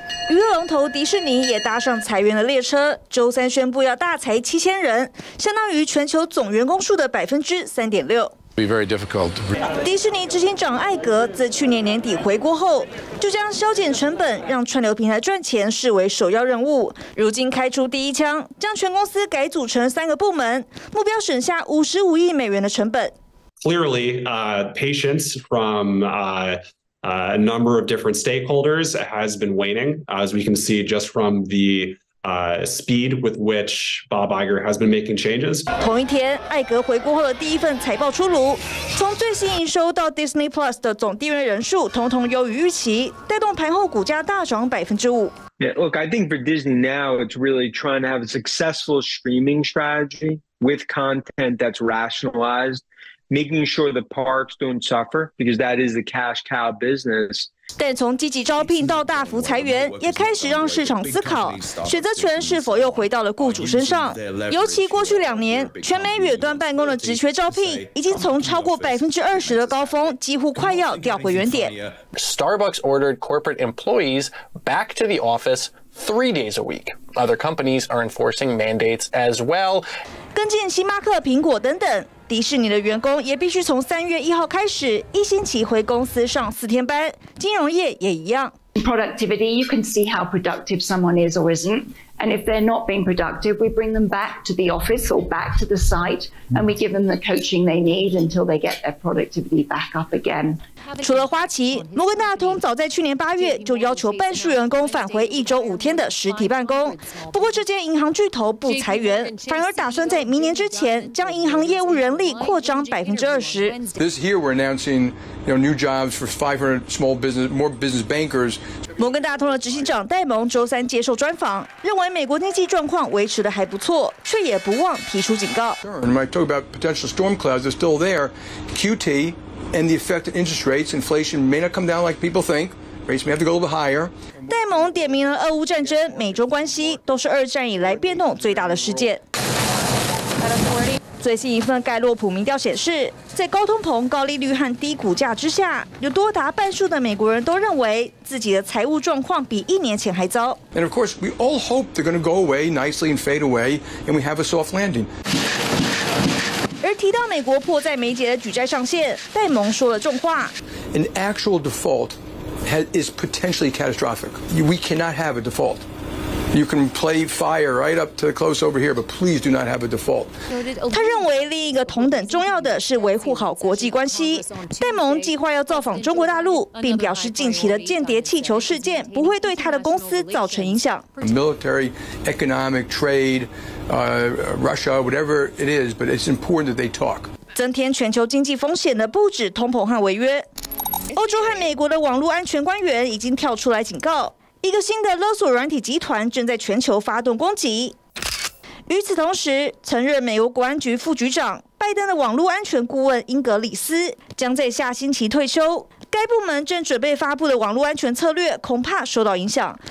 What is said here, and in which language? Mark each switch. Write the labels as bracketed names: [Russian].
[Chinese] 娱乐龙头迪士尼也搭上裁员的列车，周三宣布要大裁7000人，相当于全球总员工数的3.6%。迪士尼执行长艾格自去年年底回国后，就将削减成本、让串流平台赚钱视为首要任务。如今开出第一枪，将全公司改组成3个部门，目标省下55亿美元的成本。 [English] Clearly, patience from a number of different stakeholders has been waning, as we can see just from the. Speed with which Bob Iger has been making changes. [Chinese] 同一天，艾格回国后的第一份财报出炉，从最新营收到 Disney Plus 的总订阅人数，统统优于预期，带动盘后股价大涨5%。 [English] Yeah, look, I think for Disney now, it's really trying to have a successful streaming strategy with content that's rationalized, making sure the parks don't suffer because that is the cash cow business. [Chinese] 但从积极招聘到大幅裁员，也开始让市场思考选择权是否又回到了雇主身上。尤其过去两年，全美远端办公的职缺招聘已经从超过20%的高峰，几乎快要掉回原点。 [English] Starbucks ordered corporate employees back to the office 3 days a week. Other companies are enforcing mandates as well. [Chinese] 跟进星巴克、苹果等等。迪士尼的员工也必须从3月1号开始，一星期回公司上4天班。金融业也一样。 [English] Productivity, you can see how productive someone is or isn't, and if they're not being productive, we bring them back to the office or back to the site, and we give them the coaching they need until they get their productivity back up again. [Chinese] 除了花旗，摩根大通早在去年8月就要求半数员工返回1周5天的实体办公。不过，这间银行巨头不裁员，反而打算在明年之前将银行业务人力扩张20%。 [English] This year we're announcing, you know, new jobs for 500 small business, more business bankers. [Chinese] 摩根大通的执行长戴蒙周三接受专访，认为美国经济状况维持得还不错，却也不忘提出警告。 [English] When I talk about potential storm clouds, they're still there. QT. And the effect of interest rates, inflation may not come down like people think. Rates may have to go a little higher. [Chinese] 戴蒙点名了俄乌战争、美中关系，都是二战以来变动最大的事件。最新一份盖洛普民调显示，在高通膨、高利率和低股价之下，有多达半数的美国人都认为自己的财务状况比一年前还糟。 [English] And of course, we all hope they're going to go away nicely and fade away, and we have a soft landing. [Chinese] 而提到美国迫在眉睫的举债上限，戴蒙说了重话。 [English] An actual default is potentially catastrophic. We cannot have a default. You can play fire right up to close over here, but please do not have a default. [Chinese] 他认为另一个同等重要的是维护好国际关系。戴蒙计划要造访中国大陆，并表示近期的间谍气球事件不会对他的公司造成影响。 [English] Military, economic, trade. Russia, whatever it is, but it's important that they talk. [Chinese] 增添全球经济风险的不止通膨和违约。欧洲和美国的网络安全官员已经跳出来警告，一个新的勒索软体集团正在全球发动攻击。与此同时，曾任美国国安局副局长、拜登的网络安全顾问英格里斯将在下星期退休，该部门正准备发布的网络安全策略恐怕受到影响。